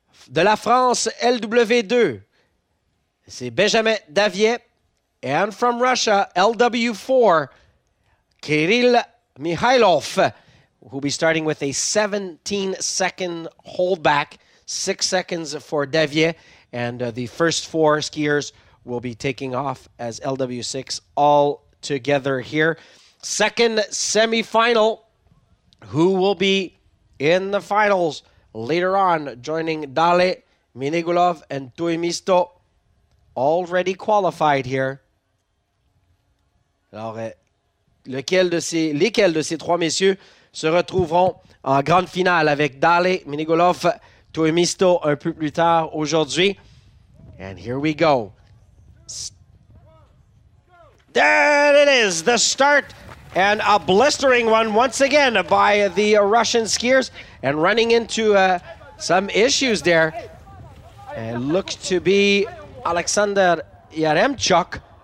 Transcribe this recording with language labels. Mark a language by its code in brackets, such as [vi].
[fr] de la France, [en] LW2, c'est Benjamin Davier, and from Russia, LW4, Kirill Mikhailov, who'll be starting with a 17-second holdback, 6 seconds for Davier, and the first four skiers will be taking off as LW6 all together here. Second semifinal, who will be in the finals later on, joining Dale Minegulov and Tuomisto, already qualified here. [fr] Alors, lesquels de ces trois messieurs se retrouveront en grande finale avec Dale Minegulov, Tuomisto un peu plus tard aujourd'hui. [en] And here we go. There it is, the start, and a blistering one once again by the Russian skiers, and running into some issues there. It looks to be Alexander Yaremchuk.